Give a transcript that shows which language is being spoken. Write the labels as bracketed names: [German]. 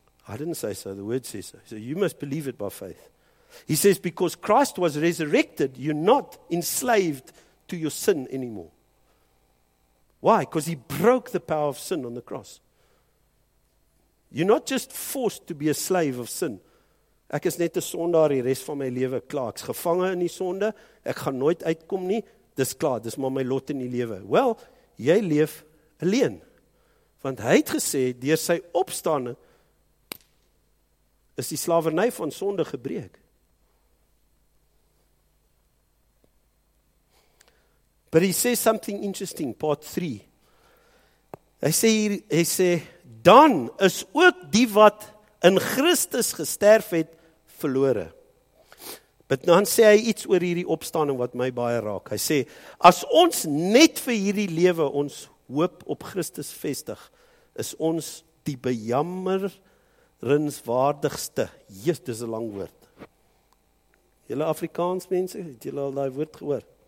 [English] I didn't say so, the word says so. He said, you must believe it by faith. He says, because Christ was resurrected, you're not enslaved to your sin anymore. Why? Because he broke the power of sin on the cross. You're not just forced to be a slave of sin. [Afrikaans] Ek is net 'n sondaar die res van my lewe, klaar. Ek's gevange in die sonde. Ek gaan nooit uitkom nie. Dis klaar, dis maar my lot in die lewe. Well, jy leef alleen. Want hy het gesê, deur sy opstanding, is die slavernij van sonde gebreek. [English] But he says something interesting, part 3. [Afrikaans] Hy sê, dan is ook die wat in Christus gesterf het, verlore. But dan sê hy iets oor hierdie opstanding wat my baie raak. Hy sê, as ons net vir hierdie lewe ons hoop op Christus vestig, is ons die bejammerenswaardigste. Jesus, dis 'n lang woord. Julle Afrikaans mense, het julle al daai woord gehoor?